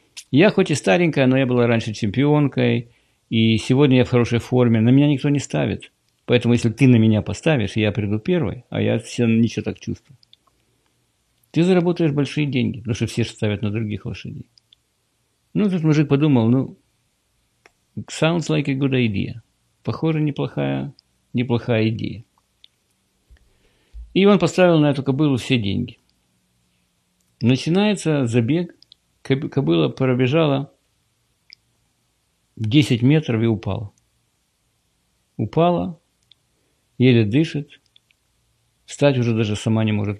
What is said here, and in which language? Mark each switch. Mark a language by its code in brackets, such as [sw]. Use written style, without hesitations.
[ru] Я хоть и старенькая, но я была раньше чемпионкой, и сегодня я в хорошей форме, на меня никто не ставит. Поэтому, если ты на меня поставишь, я приду первой, а я все ничего так чувствую. Ты заработаешь большие деньги, потому что все же ставят на других лошадей». Ну, тут мужик подумал, [en] sounds like a good idea. [ru] Похоже, неплохая идея. И он поставил на эту кобылу все деньги. Начинается забег, кобыла пробежала 10 метров и упала. Упала, еле дышит, встать уже даже сама не может.